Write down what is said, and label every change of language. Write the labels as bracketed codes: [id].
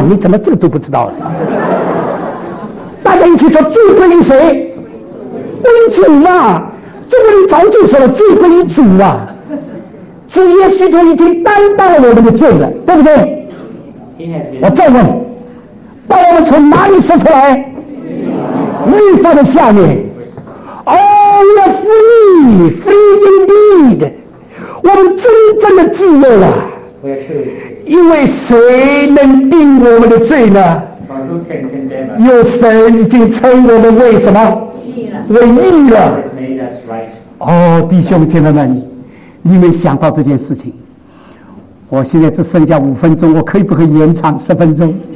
[zh] 你怎么这个都不知道了？大家一起说罪归于谁？归主嘛？中国人早就说了罪归于主啊！主耶稣都已经担当了我们的罪了，对不对？我再问，把我们从哪里说出来？律法的下面。 [en] Oh, we are free, free indeed. [zh] 我们真正的自由了。因为谁能定我们的罪呢？有神已经称我们为什么？为义了。哦，弟兄姐妹们，你们想到这件事情，我现在只剩下五分钟，我可以不可以延长十分钟？